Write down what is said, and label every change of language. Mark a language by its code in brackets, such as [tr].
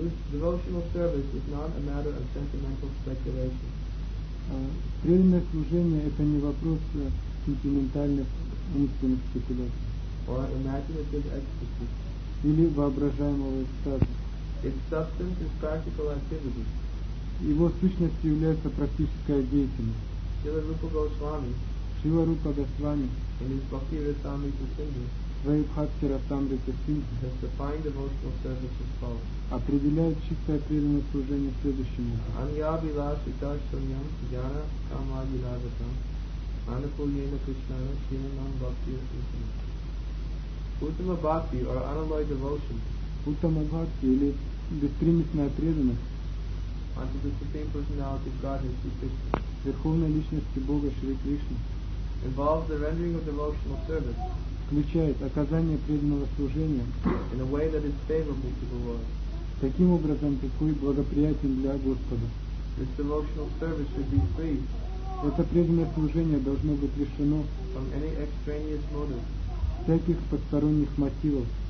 [en] Devotional service is not a matter of sentimental speculation. [ru] Преданное служение – это не вопрос сентиментальных умственных спекуляций. [en] Or imaginative ecstasy. [ru] Или воображаемого экстаза. [en] Its substance is practical activity. [ru] Его сущностью является практическая деятельность. Шрила Рупа Госвами. Шрила Рупа Госвами. [en] In his Bhakti Rasamrita Sindhu. [ru] Свои Бхакти Расамрита Сингху. [en] Has defined devotional service as follows. [ru] Определяет чистое преданное служение следующим образом. [sa] Анья Билас Итаршаньям Яна Кама Билазатам Анапульена Кришнана Шрила Нам Бхакти Расамрита. [en] Uttama Bhakti or unalloyed devotion. [ru] Uttama Bhakti или беспримесная преданность. [en] Unto the Supreme Personality of Godhead, Sri Krishna. [ru] Верховной личности Бога Шри Кришны. [en] Involves the rendering of devotional service. [ru] Включает оказание преданного служения. [en] In a way that is favorable to the Lord. [ru] Таким образом, какой благоприятен для Господа. [en] This devotional service should be free. [ru] Это преданное служение должно быть лишено. [en] From any extraneous motive. [ru] Всяких посторонних мотивов.